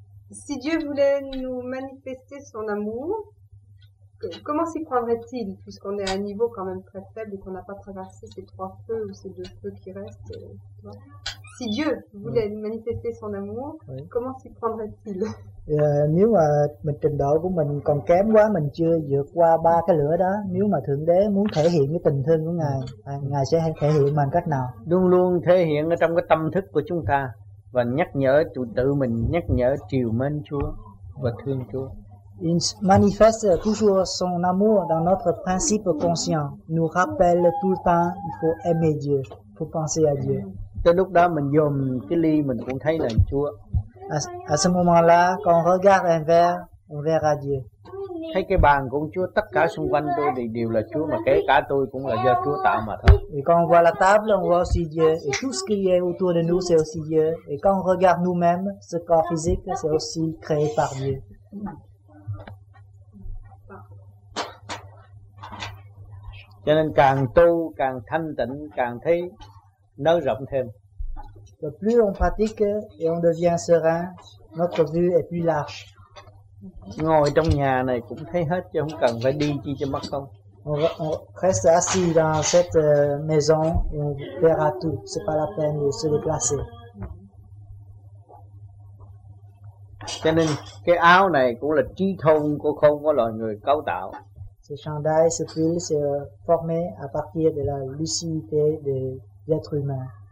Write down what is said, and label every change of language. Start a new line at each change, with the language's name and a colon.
French: Si Dieu voulait nous manifester son amour, comment s'y prendrait-il, puisqu'on est à un niveau quand même très faible et qu'on n'a pas traversé ces trois feux ou ces deux feux qui restent, tu vois? Si Dieu voulait manifester son amour, comment s'y prendrait-il?
Vietnamese: Nếu mà mình trình độ của mình còn kém quá, mình chưa vượt qua ba cái lửa đó, nếu mà Thượng Đế muốn thể hiện cái tình thương của Ngài, Ngài sẽ thể hiện bằng cách nào? Luôn luôn thể hiện ở trong cái tâm thức của chúng ta và nhắc nhở tự mình, nhắc nhở triều mến Chúa và thương Chúa.
French: Il manifeste toujours son amour dans notre principe conscient, nous rappelle tout le temps il faut aimer Dieu, il faut penser à Dieu.
Vietnamese: Tới lúc đó mình dùng cái ly mình cũng thấy là Chúa.
French: À ce moment-là, quand on regarde un verre, on verra Dieu.
Vietnamese: Thấy cái bàn cũng Chúa, tất cả xung quanh tôi thì đều là Chúa, mà kể cả tôi cũng là do Chúa tạo mà thôi.
French: Et quand on voit la table, on voit aussi Dieu. Et tout ce qui est autour de nous, c'est aussi Dieu. Et quand on regarde nous-mêmes, ce corps physique, c'est aussi créé par Dieu.
Vietnamese: Cho nên càng tu, càng thanh tịnh, càng thấy nới rộng thêm.
French: Le plus on pratique et on devient serein, notre vue est plus large.
Vietnamese: Ngồi trong nhà này cũng thấy hết chứ không cần phải đi chi cho mất công.
French: On reste assis dans cette maison et on verra tout. C'est pas la peine de se déplacer.
Vietnamese: Cho nên cái áo này cũng là trí thông của không có loài người cấu tạo.
French: Ce chandail, ce pull, c'est formé à partir de la lucidité de l'être humain.